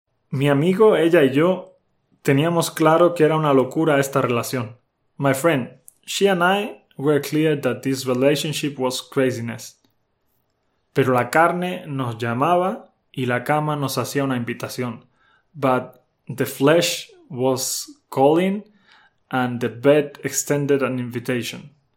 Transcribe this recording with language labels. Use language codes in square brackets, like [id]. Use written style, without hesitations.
[es] Mi amigo, ella y yo teníamos claro que era una locura esta relación. [en] My friend, she and I were clear that this relationship was craziness. [es] Pero la carne nos llamaba y la cama nos hacía una invitación. [en] But the flesh was calling and the bed extended an invitation.